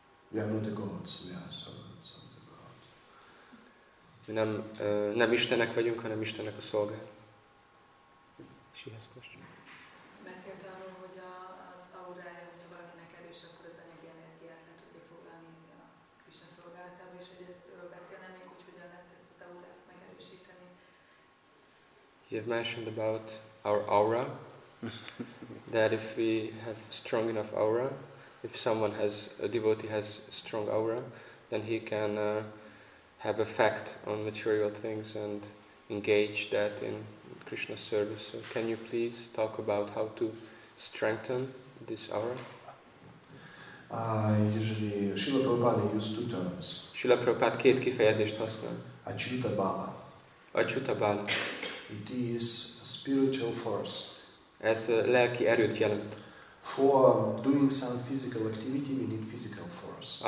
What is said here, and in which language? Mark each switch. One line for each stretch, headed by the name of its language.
English: We are not the gods, we are servants of the God.
Hungarian: Nem istenek vagyunk, hanem istenek a szolgák. És ehhez question. Beszélt arról, hogy az aurája, hogyha valakinek erős, akkor az anyagi energiát le tudja foglalni a Krisna szolgálatába, és hogy ezt beszélne még, hogy hogyan lehet ezt az aurát megerősíteni.
English: You have mentioned about our aura, that if we have strong enough aura, if someone has, a devotee has strong aura, then he can have effect on material things and engage that in Krishna's service. So can you please talk about how to strengthen this aura? Usually, Srila Prabhupada used two terms.
Hungarian: Srila Prabhupada két kifejezést használ.
Sanskrit: Achyuta Bala. Achyuta Bala.
English: It is a spiritual force.
Hungarian: Ez lelki erőt jelent.
English: For doing some physical activity, we need physical force.